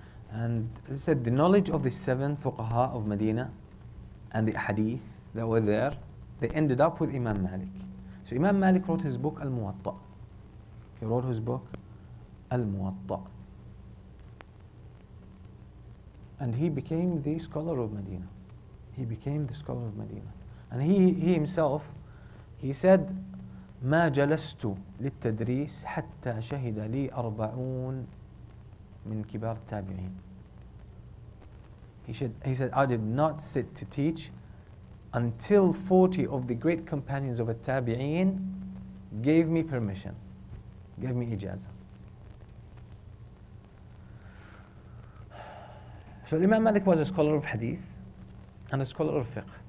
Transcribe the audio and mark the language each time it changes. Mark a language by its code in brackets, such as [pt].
[en] And as I said, the knowledge of the seven fuqaha of Medina and the hadith that were there, they ended up with Imam Malik. So Imam Malik wrote his book Al-Muwatta. He wrote his book Al-Muwatta. And he became the scholar of Medina. He became the scholar of Medina. And he himself, he said, [ar] مَا جَلَسْتُ لِلتَّدْرِيسِ حَتَّى شَهِدَ لِي أَرْبَعُونَ مِنْ كِبَارِ التَّابِعِينَ. [en] He said, I did not sit to teach until 40 of the great companions of التابعين gave me permission, gave me ijaza. So Imam Malik was a scholar of hadith and a scholar of fiqh.